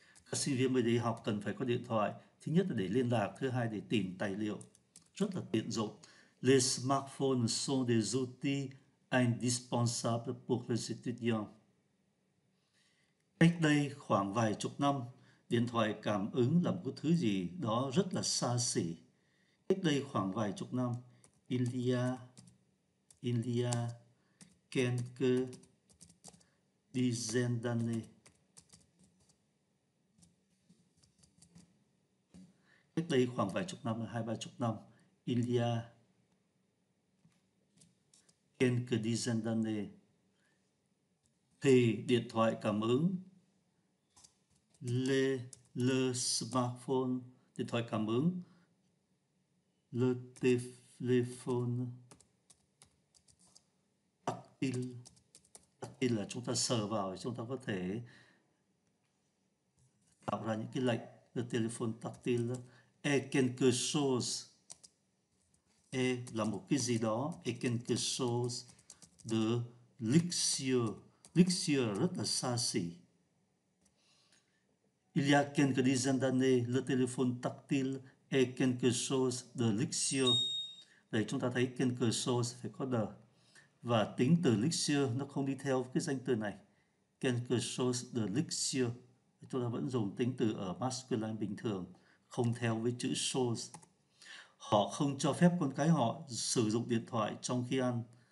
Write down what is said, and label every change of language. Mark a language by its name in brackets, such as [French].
[Vietnamese] Các sinh viên mới đi học cần phải có điện thoại, thứ nhất là để liên lạc, thứ hai để tìm tài liệu, rất là tiện dụng. [French] Les smartphones sont des outils indispensables pour les étudiants. [Vietnamese] Cách đây khoảng vài chục năm, điện thoại cảm ứng là một cái thứ gì đó rất là xa xỉ. Cách đây khoảng vài chục năm, [French] quelques dizaines d'années. [Vietnamese] Cách đây khoảng vài chục năm, hai ba chục năm, [French] quelques dizaines d'années. [Vietnamese] Thì điện thoại cảm ứng, [French] le smartphone, [Vietnamese] điện thoại cảm ứng, [French] le téléphone tactile. [Vietnamese] Tactile là chúng ta sờ vào, chúng ta có thể tạo ra những cái lệnh. [French] Le téléphone tactile est quelque chose, est [Vietnamese] là một cái gì đó, [French] est quelque chose de luxueux. [Vietnamese] Luxueux rất là xa xỉ. [French] Il y a quelques dizaines d'années, le téléphone tactile est quelque chose de luxueux. [Vietnamese] Đây chúng ta thấy [French] quelque chose [Vietnamese] phải có [French] de. [Vietnamese] Và tính từ luxueux nó không đi theo cái danh từ này. [French] Quelque chose de luxueux. [Vietnamese] Chúng ta vẫn dùng tính từ ở masculine bình thường, không theo với chữ chose. Họ không cho phép con cái họ sử dụng điện thoại trong khi ăn.